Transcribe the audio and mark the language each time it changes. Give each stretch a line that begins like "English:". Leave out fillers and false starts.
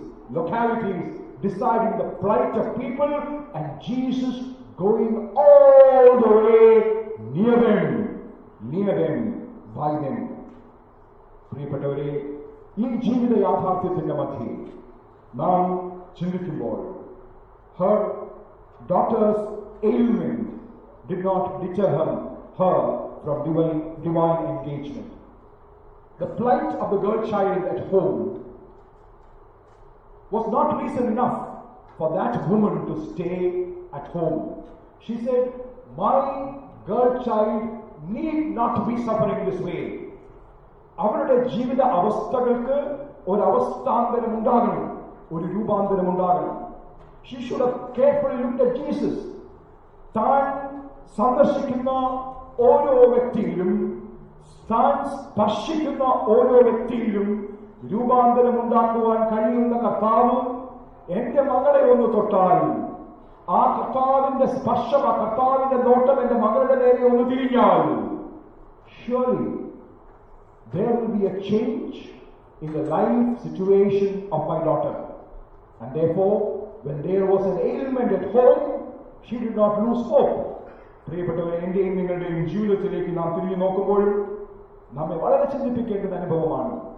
English: Localities deciding the plight of people and Jesus going all the way near them by them.
Malayalam: പ്രിയപ്പെട്ടവരെ, ഈ ജീവിത യാഥാർത്ഥ്യത്തിന്റെ മധ്യേ നാം ചിന്തിക്കുമ്പോൾ,
English: her daughter's ailment did not deter her from divine engagement. The plight of the girl child at home was not reason enough for that woman to stay at home. She said, my girl child need not be suffering this way.
Malayalam: അവരുടെ ജീവിത അവസ്ഥകൾക്ക് ഒരു അവസ്ഥാന്തരം ഉണ്ടാകണം, ഒരു രൂപാന്തരം ഉണ്ടാകണം.
English: She should have carefully looked at Jesus.
Malayalam: താൻ സന്ദർശിക്കുന്ന ഓരോ വ്യക്തിയിലും താൻ സ്പർശിക്കുന്ന ഓരോ വ്യക്തിയിലും രൂപാന്തരം ഉണ്ടാക്കുവാൻ കഴിയുന്ന കർത്താവ് എന്റെ മകളെ ഒന്ന് തൊട്ടാൽ ആ കർത്താവിന്റെ സ്പർശം ആ കർത്താവിന്റെ നോട്ടം എന്റെ മകളുടെ നേരെ ഒന്ന് തിരിഞ്ഞാൽ
English: surely there will be a change in the life situation of my daughter. And therefore, when there was an ailment at home, she did not lose hope.
Malayalam: പ്രിയപ്പെട്ടവരെ, എന്റെ നിങ്ങളുടെയും ജീവിതത്തിലേക്ക് നാം തിരിഞ്ഞു നോക്കുമ്പോൾ നമ്മെ വളരെ ചിന്തിപ്പിക്കേണ്ട അനുഭവമാണ്.